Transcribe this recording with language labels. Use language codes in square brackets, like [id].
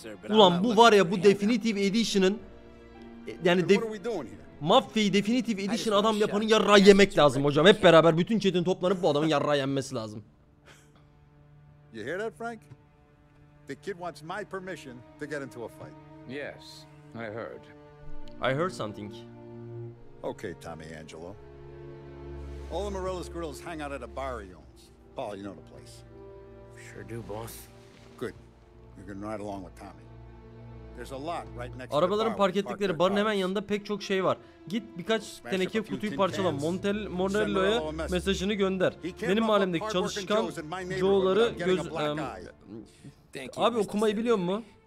[tr] Ulan bu var ya, bu Definitive Edition'ın yani Mafya'yı Definitive Edition adam yapanın yarrağı yemek lazım hocam. Hep beraber bütün chat'in toplanıp bu adamın yarrağı yenmesi lazım. [en] You hear that, Frank? The kid wants my permission to get into a fight. Yes, I heard. I heard something. Okay, Tommy Angelo. All the Morello's grills hang out at a bar he owns. Paul, you know the place. Sure do, boss. Good. You're gonna ride along with Tommy. There's a lot right next to the bar. [tr] Arabaların park ettikleri barın hemen yanında pek çok şey var. Git birkaç teneke kutuyu parçala. Morello'ya mesajını gönder. Benim mahallemdeki çalışkan Joe'ları göz... abi okumayı biliyor musun?